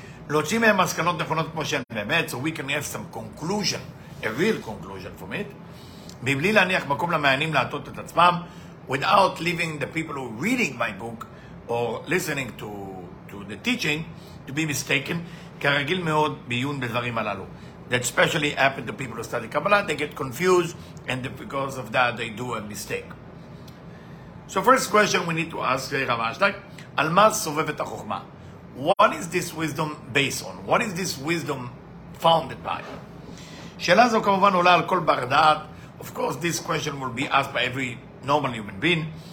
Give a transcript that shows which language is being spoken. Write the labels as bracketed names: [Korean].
[Hebrew] להוציא מהם מסקנות נכונות כמו שהן באמת, [English] so we can have some conclusion, a real conclusion from it, [Hebrew] מבלי להניח מקום למעיינים להטות את עצמם, [English] without leaving the people who are reading my book, or listening to the teaching, to be mistaken, [Hebrew] כרגיל מאוד בעיון בדברים הללו. [English] That especially happened to people who study Kabbalah, they get confused, and because of that they do a mistake. So first question we need to ask Rav Ashlag, [Hebrew] על מה סובבת החוכמה? [English] What is this wisdom based on? What is this wisdom founded by? [Hebrew] שאלה זו כמובן עולה על כל בר דעת. [English] Of course, this question will be asked by every normal human being.